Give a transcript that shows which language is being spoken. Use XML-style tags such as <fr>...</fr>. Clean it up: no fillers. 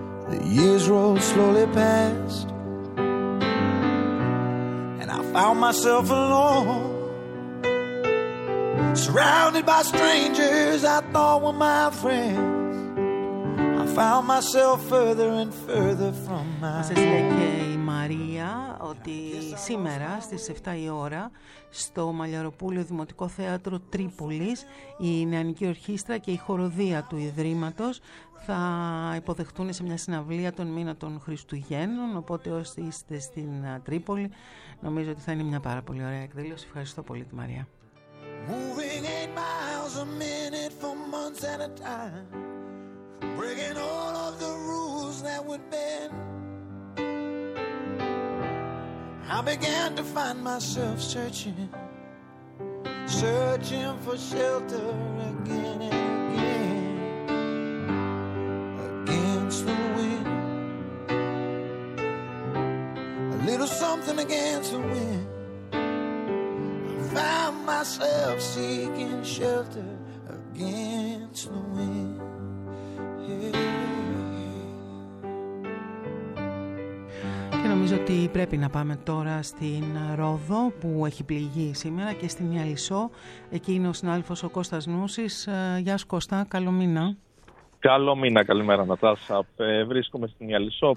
<en>The years rolled slowly past, and I found myself alone, surrounded by strangers I thought were my friends. I found myself further and further from my home.</en> <el>Μας λέει και η Μαρία ότι σήμερα στις 7 η ώρα στο Μαλλιαροπούλιο Δημοτικό Θέατρο Τρίπολης η Νεανική Ορχήστρα και η Χοροδία του Ιδρύματος θα υποδεχτούν σε μια συναυλία τον μήνα των Χριστουγέννων. Οπότε όσοι είστε στην Τρίπολη, νομίζω ότι θα είναι μια πάρα πολύ ωραία εκδήλωση. Ευχαριστώ πολύ τη Μαρία.</el> <en>Moving 8 miles a minute for months at a time, breaking all of the rules that would bend. I began to find myself searching, searching for shelter again and again. Against the wind, a little something against the wind. Found myself seeking shelter against the wind.</en> <el>Νομίζω ότι πρέπει να πάμε τώρα στην Ρόδο που έχει πληγεί σήμερα και στην Ιαλισσό. Εκεί είναι ο συνάδελφος ο Κώστας Νούσης. Γεια σου Κώστα, καλό μήνα. Καλό μήνα, καλημέρα Νατάσα. Βρίσκομαι στην Ιαλισσό.</el>